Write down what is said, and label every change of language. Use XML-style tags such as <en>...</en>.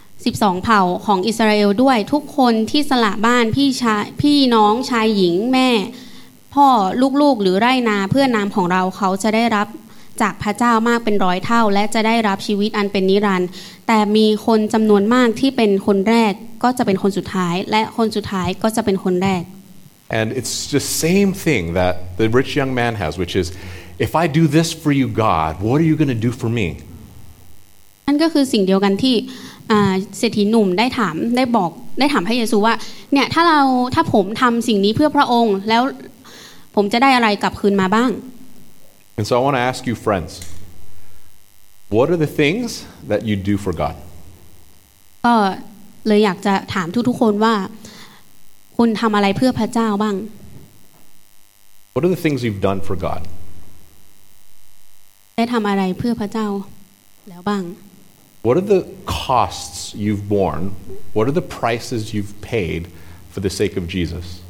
<th>12เผ่าของอิสราเอลด้วยทุกคนที่สละบ้านพี่น้องชายหญิงแม่พ่อลูกๆหรือไร่นาเพื่อนามของเราเขาจะได้รับจากพระเจ้ามากเป็นร้อยเท่าและจะได้รับชีวิตอันเป็นนิรันดร์แต่มีคนจำนวนมากที่เป็นคนแรกก็จะเป็นคนสุดท้ายและคนสุดท้ายก็จะเป็นคนแรก</th> <en>And it's the same thing that the rich young man has which is if I do this for you God what are you going to do for me</en> <th>นั่นก็คือสิ่งเดียวกันที่เศรษฐีหนุ่มได้ถามพระเยซูว่าเนี่ยถ้าผมทำสิ่งนี้เพื่อพระองค์แล้วผมจะได้อะไรกลับคืนมาบ้าง</th> <en>And so I want to ask you, friends, what are the things that you do for God?</en> <th>ก็เลยอยากจะถามทุกๆคนว่าคุณทำอะไรเพื่อพระเจ้าบ้าง</th> <en>What are the things you've done for God?</en> <th>ได้ทำอะไรเพื่อพระเจ้าแล้วบ้าง</th> <en>What are the costs you've borne? What are the prices you've paid for the sake of Jesus?</en>